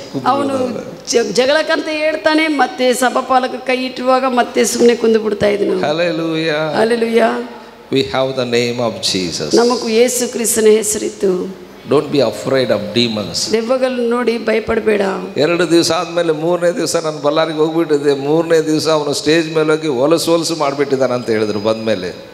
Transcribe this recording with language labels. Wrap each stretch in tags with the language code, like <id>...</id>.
<kn>ಅವನು ಜಗಳಕ್ಕಂತ ಹೇಳ್ತಾನೆ, ಮತ್ತೆ ಸಭಾಪಾಲಕ ಕೈ ಇಟ್ಟುವಾಗ ಮತ್ತೆ ಸುಮ್ಮನೆ ಕುಂದು ಬಿಡ್ತಾ ಇದ್ನು. Hallelujah. Hallelujah.</kn> <en>We have the name of Jesus.</en> <kn>ನಮಗೆ ಯೇಸು ಕ್ರಿಸ್ತನ ಹೆಸರಿತ್ತು.</kn> <en>Don't be afraid of demons.</en> <kn>ದೆವ್ವಗಳು ನೋಡಿ ಭಯಪಡಬೇಡ. ಎರಡು ದಿವಸ ಆದ್ಮೇಲೆ ಮೂರನೇ ದಿವಸ ನನ್ನ ಬಳ್ಳಾರಿಗೆ ಹೋಗ್ಬಿಟ್ಟಿದೆ. ಮೂರನೇ ದಿವಸ ಅವನು ಸ್ಟೇಜ್ ಮೇಲೆ ಹೋಗಿ ಹೊಲಸು ಹೊಲಸು ಮಾಡಿಬಿಟ್ಟಿದ್ದಾನೆ ಅಂತ ಹೇಳಿದ್ರು ಬಂದ್ಮೇಲೆ.</kn>